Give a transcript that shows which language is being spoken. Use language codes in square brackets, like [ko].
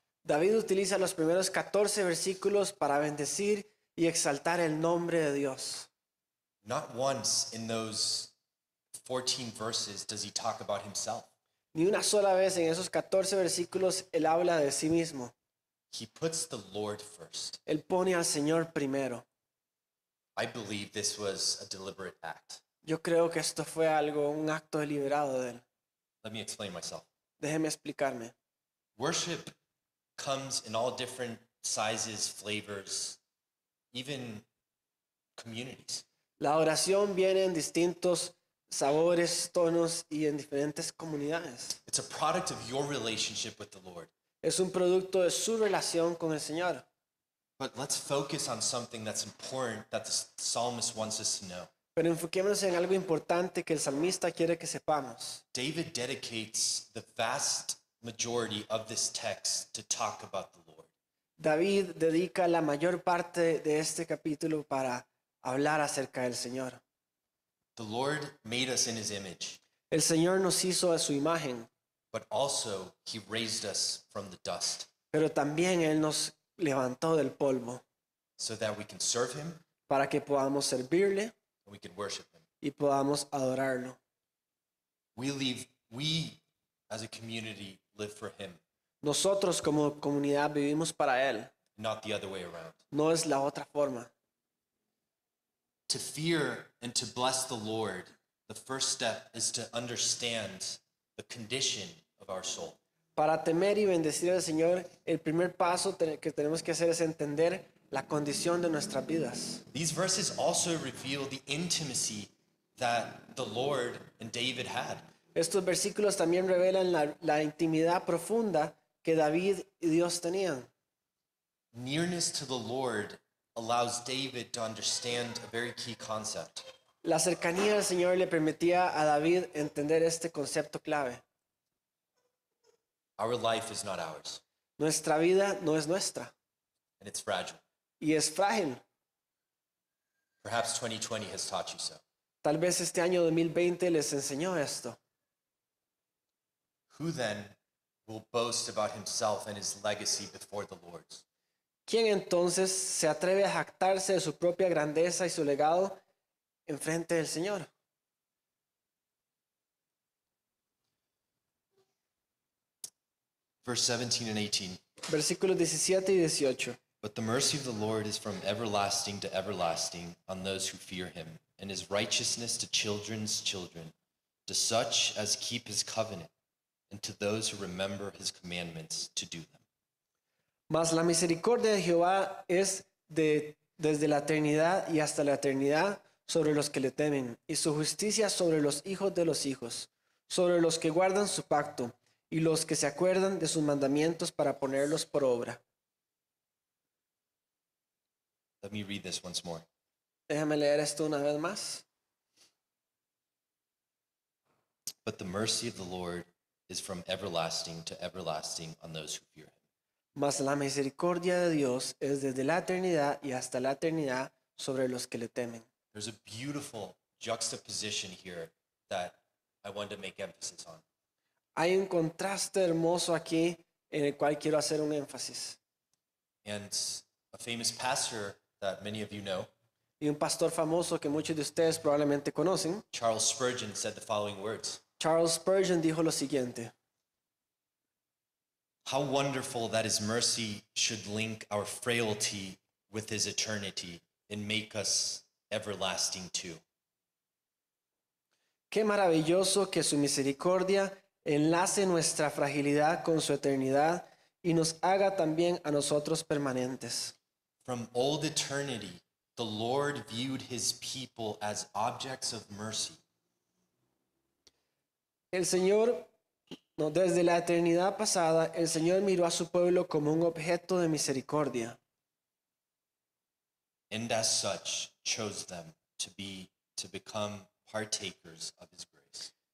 [es] David utiliza los primeros 14 versículos para bendecir y exaltar el nombre de Dios. [en] Not once in those 14 verses does he talk about himself. [es] Ni una sola vez en esos 14 versículos él habla de sí mismo. [en] He puts the Lord first. [es] Él pone al Señor primero. [en] I believe this was a deliberate act. [es] Yo creo que esto fue algo, un acto deliberado de él. [en] Let me explain myself. [es] Déjeme explicarme. [en] Worship comes in all different sizes, flavors, even communities. [es] La oración viene en distintos sabores, tonos y en diferentes comunidades. [en] It's a product of your relationship with the Lord. [es] Es un producto de su relación con el Señor. [en] But let's focus on something that's important that the psalmist wants us to know. [es] Pero enfoquémonos en algo importante que el salmista quiere que sepamos. [en] David dedicates the vast majority of this text to talk about the Lord. [es] David dedica la mayor parte de este capítulo para hablar acerca del Señor. [en] The Lord made us in his image. [es] El Señor nos hizo a su imagen. [en] But also he raised us from the dust. [es] Pero también él nos levantó del polvo. [en] So that we can serve him, [es] para que podamos servirle, [en] and we can worship him. [es] Y podamos adorarlo. [en] We as a community live for him. [es] Nosotros como comunidad vivimos para él. [en] Not the other way around. [es] No es la otra forma. [en] To fear and to bless the Lord, the first step is to understand the condition of our soul. [es] Para temer y bendecir al Señor, el primer paso que tenemos que hacer es entender la condición de nuestras vidas. [en] These verses also reveal the intimacy that the Lord and David had. [es] Estos versículos también revelan la intimidad profunda que David y Dios tenían. [en] Nearness to the Lord allows David to understand a very key concept. [es] La cercanía al Señor le permitía a David entender este concepto clave. [en] Our life is not ours. [es] Nuestra vida no es nuestra. [en] And it's fragile. [es] Y es frágil. [en] Perhaps 2020 has taught you so. [es] Tal vez este año 2020 les enseñó esto. [en] Who then will boast about himself and his legacy before the Lord? [es] ¿Quién entonces se atreve a jactarse de su propia grandeza y su legado en frente del Señor? [en] Verse 17 and 18. [es] Versículos 17 y 18. [en] But the mercy of the Lord is from everlasting to everlasting on those who fear him, and his righteousness to children's children, to such as keep his covenant, and to those who remember his commandments to do them. [es] Mas la misericordia de Jehová es desde la eternidad y hasta la eternidad sobre los que le temen, y su justicia sobre los hijos de los hijos, sobre los que guardan su pacto, y los que se acuerdan de sus mandamientos para ponerlos por obra. [en] Let me read this once more. [es] Déjame leer esto una vez más. [en] But the mercy of the Lord is from everlasting to everlasting on those who fear him. [es] Mas la misericordia de Dios es desde la eternidad y hasta la eternidad sobre los que le temen. [en] There's a beautiful juxtaposition here that I want to make emphasis on. [es] Hay un contraste hermoso aquí en el cual quiero hacer un énfasis. [en] And a famous pastor that many of you know, [es] y un pastor famoso que muchos de ustedes probablemente conocen, [en] Charles Spurgeon, said the following words. [es] Charles Spurgeon dijo lo siguiente: [en] How wonderful that his mercy should link our frailty with his eternity and make us everlasting too. [es] Qué maravilloso que su misericordia enlace nuestra fragilidad con su eternidad y nos haga también a nosotros permanentes. [en] From old eternity, the Lord viewed his people as objects of mercy. [es] El Señor, no, desde la eternidad pasada, el Señor miró a su pueblo como un objeto de misericordia. [en] And as such, chose them to become partakers of his grace.